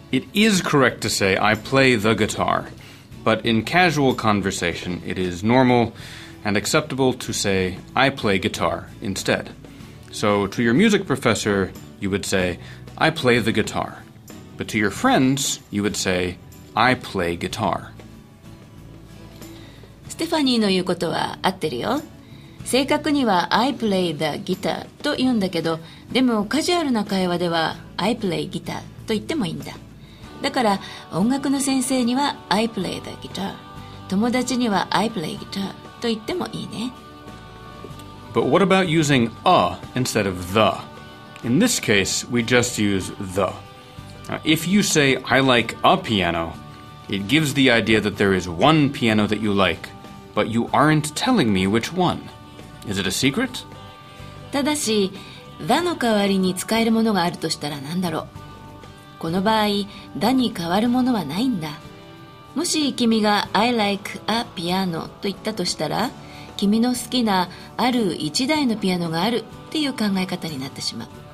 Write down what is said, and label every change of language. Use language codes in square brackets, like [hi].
[en] It is correct to say I play the guitar. But in casual conversation, it is normal and acceptable to say I play guitar instead. So to your music professor, you would say I play the guitar. But to your friends, you would say I play guitar. [ja] ステファニーの言うことは合ってるよ。正確には [en] I play the guitar [ja] と言うんだけど、でもカジュアルな会話では [en] I play guitar [ja] と言ってもいいんだ。だから音楽の先生には [en] I play the guitar、 [ja] 友達には [en] I play guitar [ja] と言ってもいいね。 [en] But what about using a instead of the? In this case, we just use the. If you say I like a piano, it gives the idea that there is one piano that you likeBut you aren't telling me which one. Is it a secret? [ja] ただし、だの代わりに使えるものがあるとしたら何だろう。この場合、だに代わるものはないんだ。もし君が [en] I like a piano [ja] と言ったとしたら、君の好きなある一台のピアノがあるっていう考え方になってしまう。